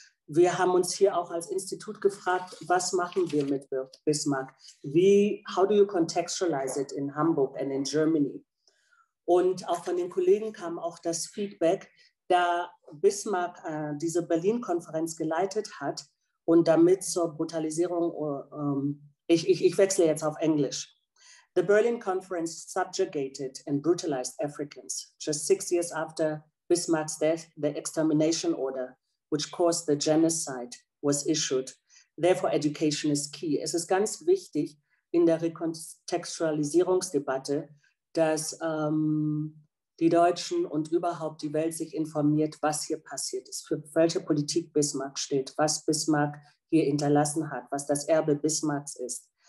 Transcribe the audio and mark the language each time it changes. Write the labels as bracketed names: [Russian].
[German] Wir haben uns hier auch als Institut gefragt, was machen wir mit Bismarck? [English] How do you contextualize it in Hamburg and in Germany? [German] Und auch von den Kollegen kam auch das Feedback, da Bismarck diese Berlin-Konferenz geleitet hat und damit zur Brutalisierung, ich wechsle jetzt auf Englisch. [English] The Berlin Conference subjugated and brutalized Africans just 6 years after Bismarck's death, the extermination order, which caused the genocide, was issued. Therefore, education is key. [German] Es ist ganz wichtig in der Rekontextualisierungsdebatte, dass die Deutschen und überhaupt die Welt sich informiert, was hier passiert ist, für welche Politik Bismarck steht, was Bismarck hier hinterlassen hat, was das Erbe Bismarcks ist.